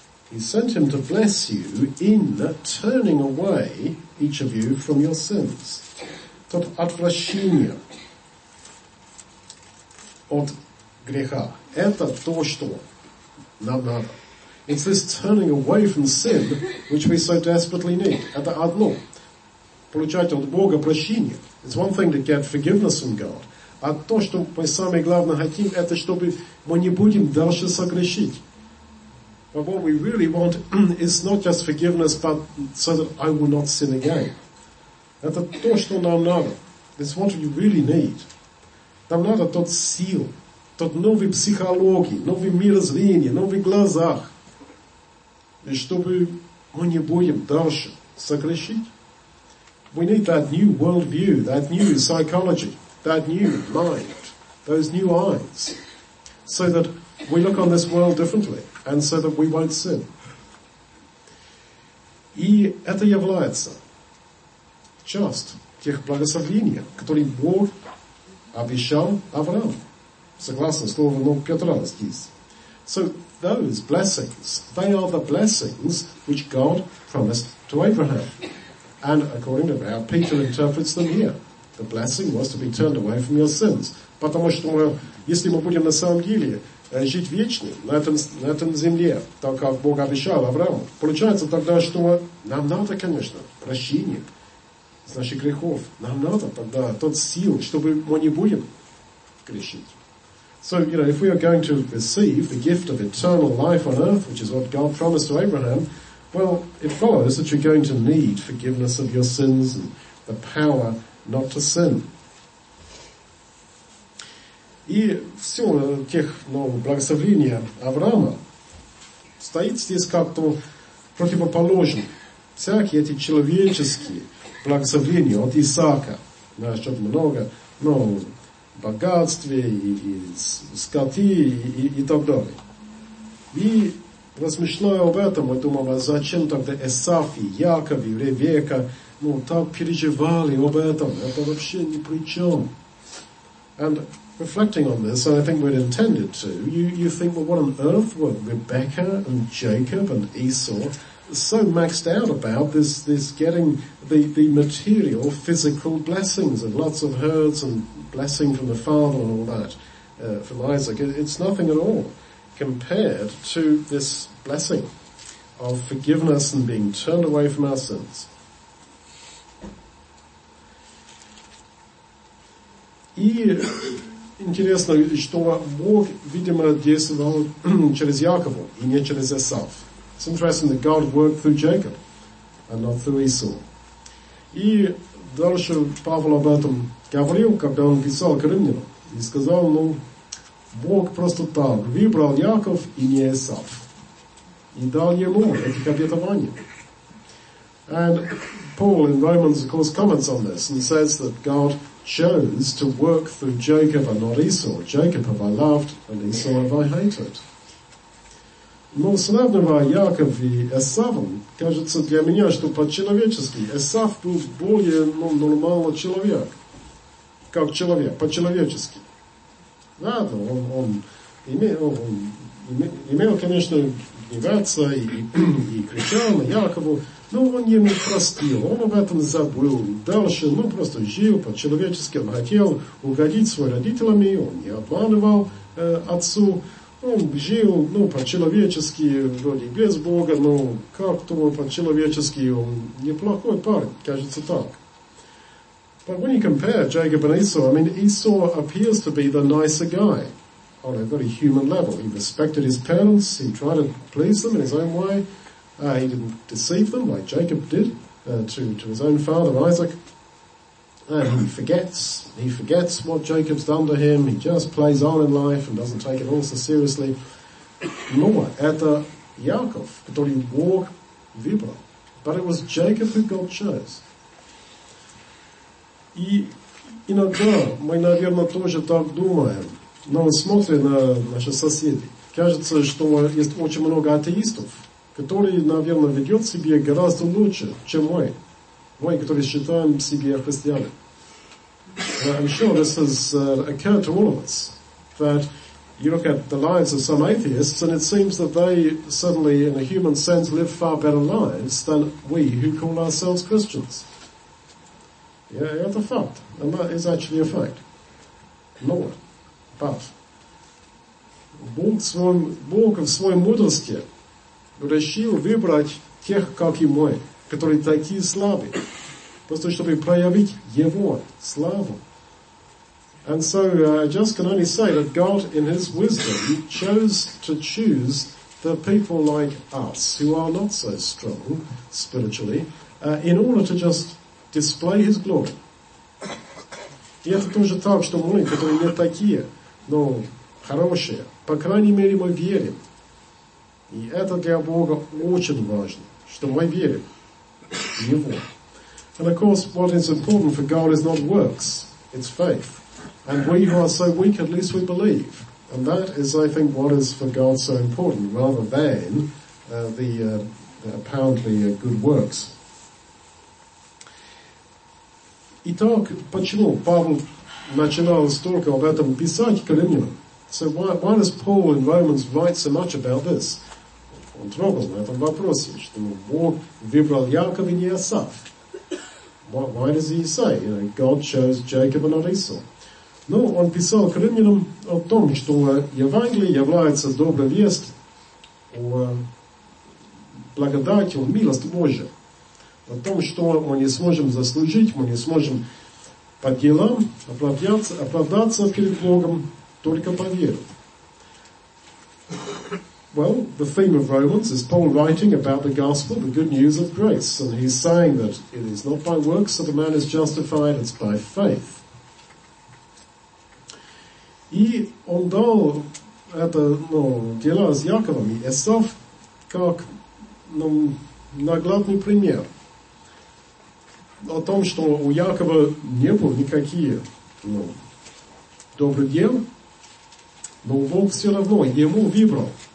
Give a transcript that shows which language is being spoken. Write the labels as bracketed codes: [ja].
[en] He sent him to bless you in turning away each of you from your sins. [ru] То отвращение от греха. Это то, что нам надо. [en] It's this turning away from sin, which we so desperately need. [ru] Это одно. Получать от Бога прощение. [en] It's one thing to get forgiveness from God. [ru] А то, что мы самое главное хотим, это чтобы мы не будем дальше согрешить. [en] But what we really want is not just forgiveness, but so that I will not sin again. [ru] Это то, что нам надо. [en] It's what we really need. [ru] Нам надо тот сил, тот новый психологии, новый мирозрение, новый глазах, и чтобы мы не будем дальше согрешить. [en] We need that new worldview, that new psychology, that new mind, those new eyes, so that we look on this world differently. And so that we won't sin. [ru] И это является часть тех благословений, которые Бог обещал Аврааму, согласно слову Петра здесь. [en] So those blessings. They are the blessings which God promised to Abraham. And according to how Peter interprets them here, the blessing was to be turned away from your sins. [ru] Потому что мы, если мы будем на самом деле жить вечно на этом земле, так как Бог обещал Аврааму, получается тогда, что нам надо, конечно, прощение с наших грехов. Нам надо тогда тот сил, чтобы мы не будем грешить. [en] So, you know, if we are going to receive the gift of eternal life on earth, which is what God promised to Abraham, well, it follows that you're going to need forgiveness of your sins and the power not to sin. [ru] И все тех, ну, благословения Авраама стоит здесь как-то противоположно. Всякие эти человеческие благословения от Исаака, насчет много, ну, богатстве и скоты и так далее. И размышляя об этом, мы думаем, а зачем тогда Эсав и Яков и Ревека, ну, так переживали об этом? Это вообще ни при чем. [en] And reflecting on this, and I think we'd intended to, you think, well, what on earth were Rebecca and Jacob and Esau so maxed out about this getting the material, physical blessings and lots of herds and blessing from the father and all that, from Isaac. It's nothing at all compared to this blessing of forgiveness and being turned away from our sins. [ru] И интересно, что Бог, видимо, действовал через Якова и не через Эсав. [en] It's interesting that God worked through Jacob and not through Esau. [ru] И дальше Павел об этом говорил, когда он писал к римлянам, и сказал, ну, Бог просто так выбрал Яков и не Эсав, и дал ему этих обетований. [en] And Paul in Romans, of course, comments on this, and says that God chose to work through Jacob and not Esau. Jacob have I loved, and Esau have I hated. [ru] Но сравнивая Яков и Эсавом, кажется для меня, что по-человечески Эсав был более, ну, нормальный человек. Как человек, по-человечески. Да, он имел, конечно, гневаться и кричал на Якову, но он ему простил, он об этом забыл. Дальше, ну, просто жил по-человечески, он хотел угодить своим родителям, он не обманывал отцу, он жил, ну, по-человечески, вроде без Бога, но как-то по-человечески он неплохой парень, кажется так. [en] But when you compare Jacob and Esau, I mean, Esau appears to be the nicer guy on a very human level. He respected his parents, he tried to please them in his own way. He didn't deceive them like Jacob did to his own father, Isaac. And he forgets what Jacob's done to him. He just plays on in life and doesn't take it all so seriously. [ru] Но это Яков, который Бог выбрал. [en] But it was Jacob who God chose. [ru] И иногда мы, наверное, тоже так думаем, но смотрим на наших соседей. Кажется, что есть очень много атеистов, которые, наверное, ведут себя гораздо лучше, чем мы. Мы, которые считаем себя христианами. [en] I'm sure this has occurred to all of us, that you look at the lives of some atheists, and it seems that they suddenly, in a human sense, live far better lives than we who call ourselves Christians. Yeah, it's a fact. And that is actually a fact. No. But [ru] Бог в своей мудрости решил выбрать тех, как и мы, которые такие слабые, просто чтобы проявить Его славу. [en] And so I just can only say that God, in His wisdom, chose to choose the people like us, who are not so strong spiritually, in order to just display His glory. [ru] И это тоже так, что мы, которые не такие, но хорошие, по крайней мере, мы верим. И это для Бога очень важно, что мы верим в Него. [en] And of course, what is important for God is not works, it's faith. And we who are so weak, at least we believe. And that is, I think, what is for God so important, rather than the apparently good works. [ru] Итак, почему Павел начинал столько об этом писать к римлянам? [en] So why does Paul in Romans write so much about this? [ru] Он трогал на этом вопросе, что Бог выбрал Яков и не Исав. [en] Why does he say, you know, God chose Jacob and not Esau? [ru] Ну, он писал к римлянам о том, что Евангелие является доброй вестью о благодати, о милости Божия. О том, что мы не сможем заслужить, мы не сможем по делам оправдаться перед Богом, только по вере. [en] Well, the theme of Romans is Paul writing about the gospel, the good news of grace. And he's saying that it is not by works that a man is justified, it's by faith. [ru] И он дал это, ну, дело с Яковом и Эсав как, ну, наглядный пример о том, что у Якова не было никакие, ну, добрых дел, но Бог все равно ему выбрал.